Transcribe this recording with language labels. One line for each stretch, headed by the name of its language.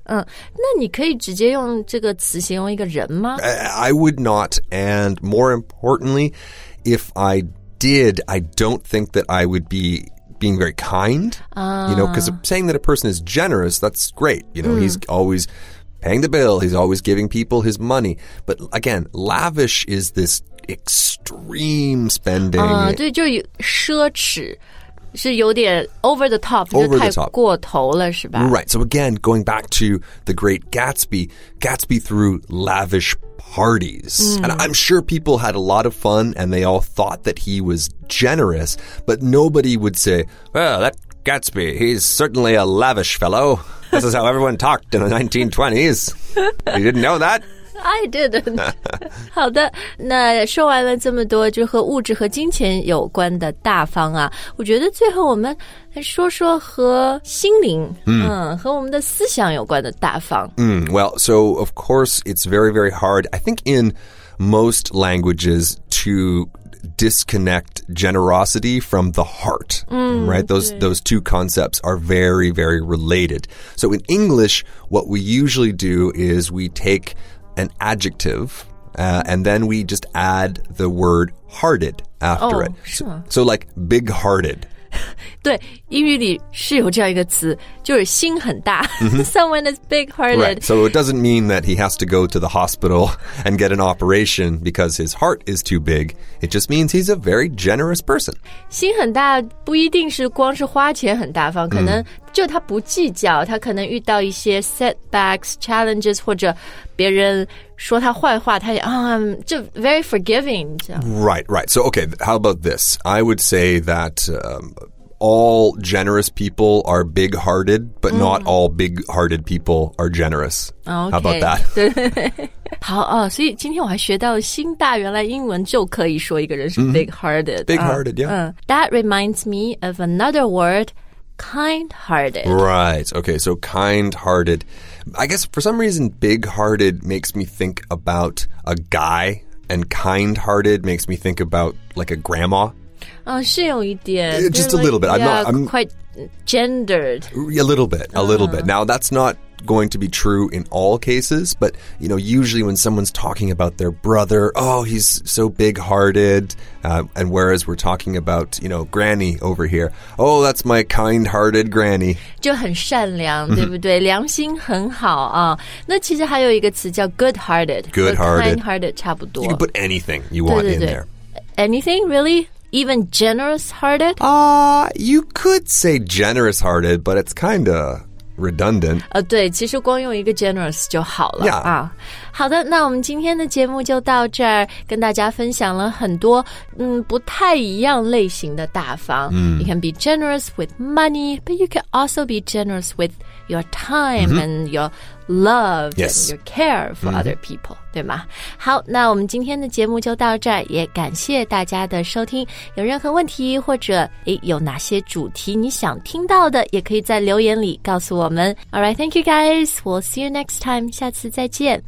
Chinese: 那你可以直接用这个词形容一个人吗？
English: I would not, and more importantly, if I did, I don't think that I would be... being very kind, you know, because saying that a person is generous, that's great. You know, he's always paying the bill. He's always giving people his money. But again, lavish is this extreme spending. 对，就奢侈是有点 over the top, 就太过头了，是吧？ Right. So again, going back to the great Gatsby, Gatsby threw lavish parties. And I'm sure people had a lot of fun and they all thought that he was generous, but nobody would say, well, that Gatsby, he's certainly a lavish fellow. This is how everyone talked in the 1920s. You didn't know that? I didn't.
Chinese: 好的，那说完了这么多就和物质和金钱有关的大方啊，我觉得最后我们说说和心灵，和我们的思想有关的大方。
English: Well, so of course it's very, very hard. I think in most languages to disconnect generosity from the heart, right? Those two concepts are very, very related. So in English, what we usually do is we take an adjective, and then we just add the word hearted after it. So like big-hearted.
Chinese: 对，英语里是有这样一个词，就是心很大。
English: Someone is big-hearted. Right, so it doesn't mean that he has to go to the hospital and get an operation because his heart is too big. It just means he's a very generous person.
Chinese: 心很大不一定是光是花钱很大方，可能就他不计较，他可能遇到一些
English: setbacks, challenges,
Chinese: 或者别人说他坏话，他也就
English: very forgiving. Right, right. So, okay, how about this? I would say that... All generous people are big-hearted, but not all big-hearted people are generous. Okay, how about that?
Chinese: 好哦，所以今天我还学到心大，原来英文就可以说一个人是 big-hearted.
English: Big-hearted, yeah. That reminds me of another word, kind-hearted. Right, okay, so kind-hearted. I guess for some reason, big-hearted makes me think about a guy, and kind-hearted makes me think about like a grandma.
Chinese: 是有一点
English: just a little bit. I'm quite gendered. A little bit. Now, that's not going to be true in all cases, but, you know, usually when someone's talking about their brother, oh, he's so big-hearted, and whereas we're talking about, you know, granny over here, oh, that's my kind-hearted granny.
Chinese: 就很善良，对不对？良心很好啊。那其实还有一个词叫 good-hearted.
English: Good-hearted.
Chinese: Kind-hearted 差不多。
English: You can put anything you want
Chinese: 对对对
English: in there. Anything, really? Even generous-hearted? You could say generous-hearted, but it's kind of redundant.
Chinese: 对，其实光用一个 generous 就好了。
English: Yeah.
Chinese: 好的，那我们今天的节目就到这儿，跟大家分享了很多不太一样类型的大方。
English: You can be generous with money, but you can also be generous with your time and your love and your care for other people.
Chinese: 对吗？好，那我们今天的节目就到这儿，也感谢大家的收听。有任何问题或者有哪些主题你想听到的，也可以在留言里告诉我们。
English: Alright, thank you guys. We'll see you next time.
Chinese: 下次再见。